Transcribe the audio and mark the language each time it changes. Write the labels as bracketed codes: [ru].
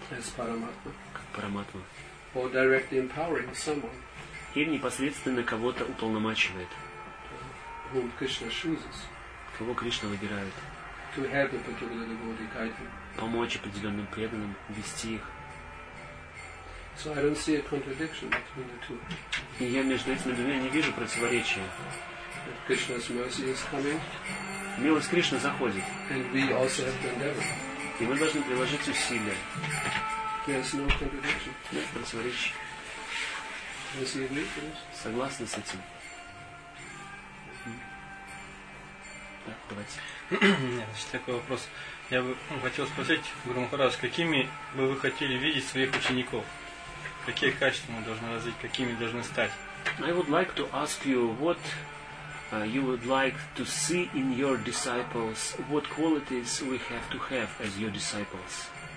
[en] As Paramatma. [ru] Параматма. [en] Or directly empowering someone. [ru] Или непосредственно кого-то уполномачивает. [en] Whom Krishna chooses. [ru] Кого Кришна выбирает. [en] To help a particular devotee, guide him. [ru] Помочь определенным преданным, вести их. [en] So I don't see a contradiction between the two. [ru] И я между этими двумя не вижу противоречия. [en] That Krishna's mercy is coming. [ru] Милость Кришны заходит. [en] And we also have to endeavor. [ru] И мы должны приложить усилия. [en] There's no contradiction. [ru] Нет противоречий. [en] Yes, you agree, please? [ru] Согласны с этим? Так, давайте. Значит, такой вопрос. Я бы хотел спросить, Гуру Махарадж, какими бы вы хотели видеть своих учеников? Какие качества мы должны развить? Какими должны стать? [en] I would like to ask you, what you would like to see in your disciples, what qualities we have as your disciples?